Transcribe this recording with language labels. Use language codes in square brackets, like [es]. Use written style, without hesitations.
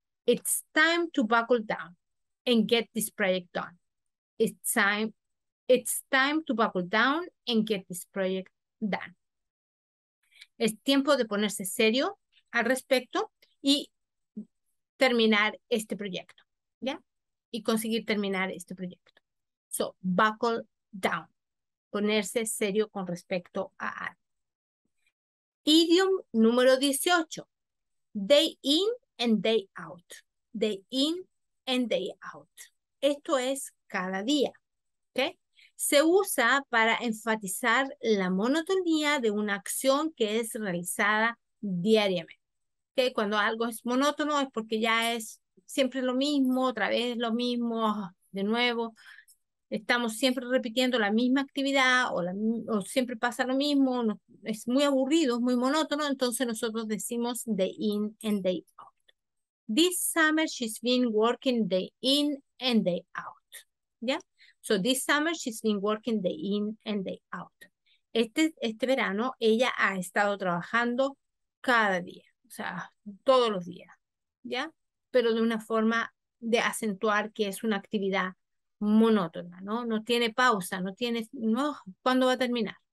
[en] It's time to buckle down and get this project done. It's time to buckle down and get this project done. [es] Es tiempo de ponerse serio al respecto y terminar este proyecto, ¿ya? Y conseguir terminar este proyecto. [en] So, buckle down. [es] Ponerse serio con respecto a algo. Idiom número 18. [en] Day in and day out. Day in and day out. [es] Esto es cada día, ¿ok? Se usa para enfatizar la monotonía de una acción que es realizada diariamente. ¿Okay? Cuando algo es monótono es porque ya es siempre lo mismo, otra vez lo mismo, de nuevo. Estamos siempre repitiendo la misma actividad o siempre pasa lo mismo. Es muy aburrido, es muy monótono. Entonces nosotros decimos [en] day in and day out. This summer she's been working day in and day out. ¿Ya? So this summer she's been working day in and day out. [es] Este verano ella ha estado trabajando cada día. O sea, todos los días. ¿Ya? Pero de una forma de acentuar que es una actividad monótona, ¿no? No tiene pausa, no tiene, no, ¿cuándo va a terminar?